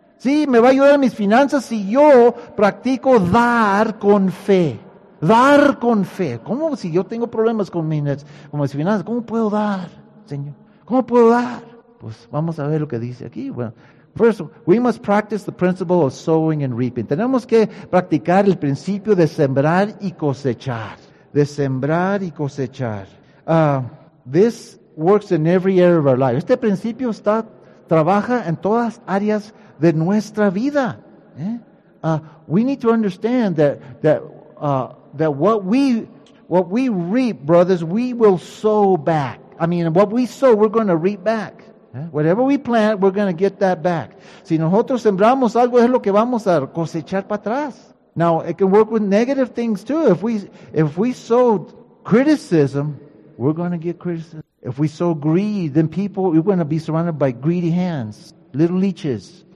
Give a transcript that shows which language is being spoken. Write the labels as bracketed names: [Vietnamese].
[Spanish] Sí, me va a ayudar a mis finanzas si yo practico dar con fe. Dar con fe. ¿Cómo si yo tengo problemas con mis finanzas? ¿Cómo puedo dar, Señor? ¿Cómo puedo dar? Pues vamos a ver lo que dice aquí. [English] Bueno, first, we must practice the principle of sowing and reaping. [Spanish] Tenemos que practicar el principio de sembrar y cosechar. De sembrar y cosechar. [English] This works in every area of our life. [Spanish] Este principio trabaja en todas áreas de nuestra vida. [English] We need to understand that what we reap, brothers, we will sow back. I mean, what we sow, we're going to reap back. Whatever we plant, we're going to get that back. [Spanish] Si nosotros sembramos algo, es lo que vamos a cosechar para atrás. [English] Now, it can work with negative things too. If we sow criticism, we're going to get criticism. If we sow greed, then people, we're going to be surrounded by greedy hands, little leeches.